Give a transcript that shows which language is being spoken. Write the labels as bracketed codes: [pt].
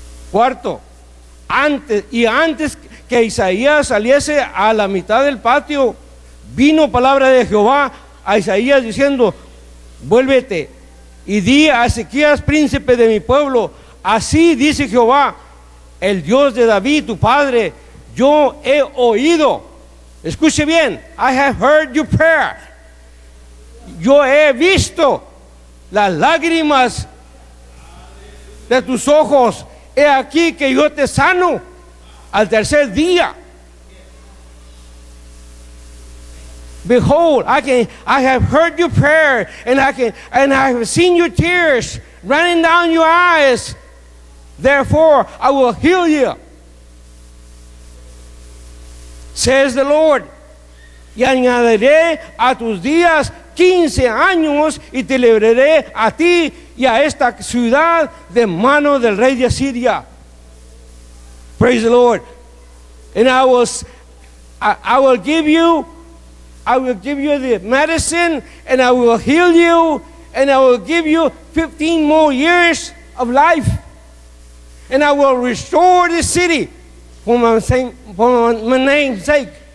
[es] Cuarto, antes que Isaías saliese a la mitad del patio, vino palabra de Jehová a Isaías diciendo: Vuélvete y di a Ezequías, príncipe de mi pueblo, así dice Jehová, el Dios de David, tu padre, yo he oído, escuche bien, [en] I have heard your prayer, [es] yo he visto las lágrimas de tus ojos. He aquí que yo te sano al tercer día. [en] Behold, I have heard your prayer, and I have seen your tears running down your eyes. Therefore, I will heal you, says the Lord. [es] Y añadiré a tus días 15 años y te libraré a ti y a esta ciudad de mano del rey de Asiria. [en] Praise the Lord. And I will give you the medicine, and I will heal you, and I will give you 15 more years of life, and I will restore the city for my name's sake.